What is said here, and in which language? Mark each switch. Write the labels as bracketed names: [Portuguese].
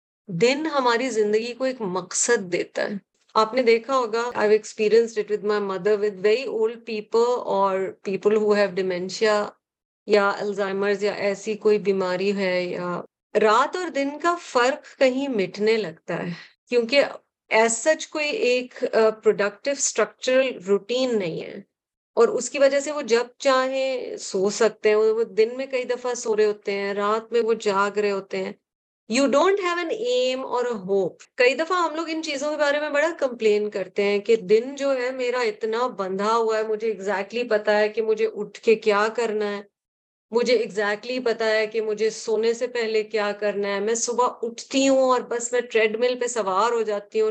[Hindi] दिन हमारी जिंदगी को एक मकसद देता है. आपने देखा होगा [English] I have experienced it with my mother with very old people [Hindi] और [English] people who have dementia [Hindi] या अल्जाइमर्स या ऐसी कोई बीमारी है या रात और दिन का फर्क कहीं मिटने लगता है क्योंकि एज सच कोई एक प्रोडक्टिव स्ट्रक्चरल रूटीन नहीं है और उसकी वजह से वो जब चाहे सो सकते हैं. वो दिन में कई दफा सो रहे होते हैं रात में वो जाग रहे होते हैं. [English] You don't have an aim or a hope. [Hindi] कई दफा हम लोग इन चीजों के बारे में बड़ा कंप्लेन करते हैं कि दिन जो है मेरा इतना बंधा हुआ है मुझे एग्जैक्टली पता है कि मुझे उठ के क्या करना है. मुझे एग्जैक्टली पता है कि मुझे सोने से पहले क्या करना है. मैं सुबह उठती हूँ और बस मैं ट्रेडमिल पे सवार हो जाती हूँ.